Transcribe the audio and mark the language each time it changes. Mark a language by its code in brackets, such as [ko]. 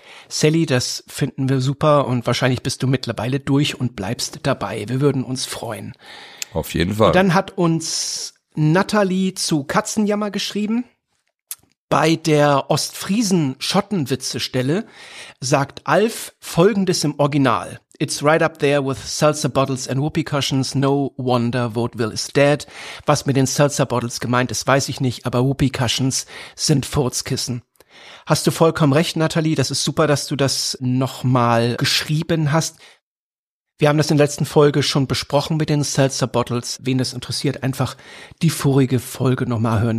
[de] Sally, das finden wir super und wahrscheinlich bist du mittlerweile durch und bleibst dabei. Wir würden uns freuen. Auf jeden Fall. Und dann hat uns Nathalie zu Katzenjammer geschrieben. Bei der Ostfriesen-Schottenwitze-Stelle sagt ALF Folgendes im Original. [en] It's right up there with seltzer bottles and whoopee cushions. No wonder Vaudeville is dead. [de] Was mit den seltzer bottles gemeint ist, weiß ich nicht, aber whoopee cushions sind Furzkissen. Hast du vollkommen recht, Nathalie. Das ist super, dass du das nochmal geschrieben hast. Wir haben das in der letzten Folge schon besprochen mit den Seltzer Bottles. Wen das interessiert, einfach die vorige Folge nochmal hören.